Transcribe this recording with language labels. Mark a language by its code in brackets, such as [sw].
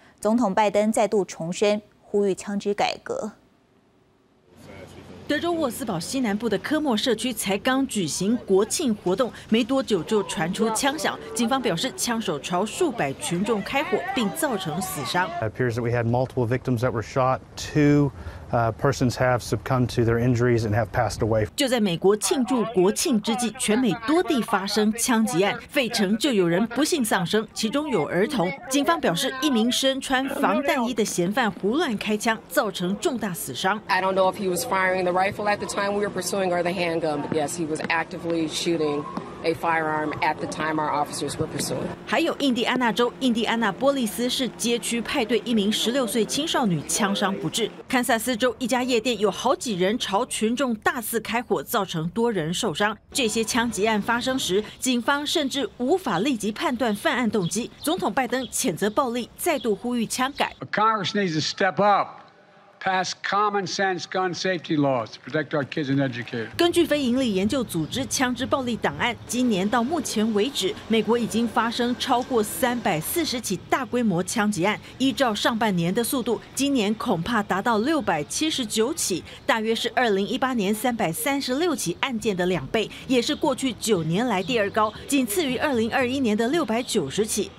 [zh] 总统拜登再度重申呼吁枪支改革。德州沃斯堡西南部的科莫社区才刚举行国庆活动，没多久就传出枪响。警方表示，枪手朝数百群众开火，并造成死伤。 [en] It appears that we had multiple victims that were shot. Two persons have succumbed to their injuries and have passed away. [zh] 就在美国庆祝国庆之际，全美多地发生枪击案，费城就有人不幸丧生，其中有儿童。警方表示，一名身穿防弹衣的嫌犯胡乱开枪，造成重大死伤。 [en] I don't know if he was firing the rifle at the time we were pursuing or the handgun, but yes, he was actively shooting. A firearm at the time our officers were pursuing. [zh] 还有印第安纳州，印第安纳波利斯是街区派对，一名16岁青少女枪伤不治。堪萨斯州一家夜店有好几人朝群众大肆开火，造成多人受伤。这些枪击案发生时，警方甚至无法立即判断犯案动机。总统拜登谴责暴力，再度呼吁枪改。 [en] Congress needs to step up. Pass common sense gun safety laws to protect our kids and educators. [zh] 根据非营利研究组织枪支暴力档案，今年到目前为止，美国已经发生超过340起大规模枪击案。依照上半年的速度，今年恐怕达到679起，大约是2018年336起案件的2倍，也是过去9年来第二高，仅次于2021年的690起。